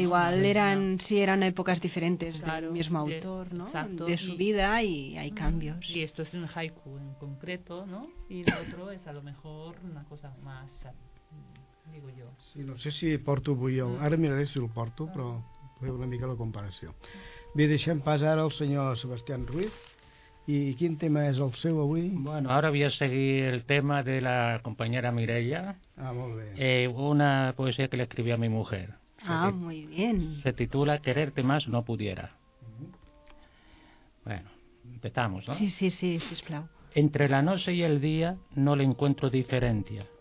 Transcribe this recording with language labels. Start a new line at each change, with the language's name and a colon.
Spanish: Igual eran, sí, eran épocas diferentes, claro, del mismo autor, ¿no? Exacto, de su vida y hay cambios. Y esto es un haiku en concreto, ¿no? Y el otro es a lo mejor una cosa más, digo yo.
Catalan: Sí, no sé si porto buió. Ara miraré si el porto, però fer una mica la comparació. Bé, deixem pas ara el senyor Sebastián Ruiz. I quin tema és el seu avui?
Spanish: Bueno, ahora voy a seguir el tema de la compañera Mireia.
Catalan: Ah, molt bé.
Spanish: Una poesia que le escribí a mi mujer. Ah, muy bien. Se titula Quererte más no pudiera. Bueno, empezamos, ¿no?
Catalan: Sí, sí, sí, sisplau.
Spanish: Entre la noche y el día no le encuentro diferencia.